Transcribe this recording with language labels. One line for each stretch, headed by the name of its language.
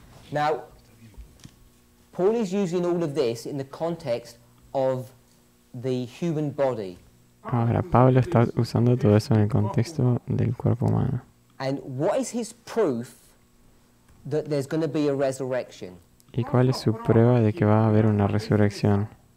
English: Now, Paul is using all of this in the context of the human body.
Spanish: Ahora Pablo está usando todo eso en el contexto del cuerpo humano.
English: And what is his proof that there's going to be a resurrection?
Spanish: ¿Y cuál es su prueba de que va a haber una resurrección?